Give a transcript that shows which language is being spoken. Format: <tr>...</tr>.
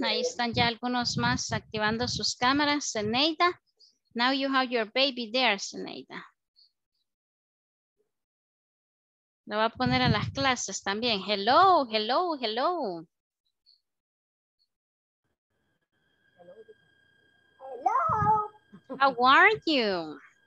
<es>Ahí están ya algunos más activando sus cámaras.</es> <en>Zeneida, now you have your baby there, Zeneida.</en> <es>Lo va a poner a las clases también.</es> <en>Hello, hello, hello. Hello. How are you?</en>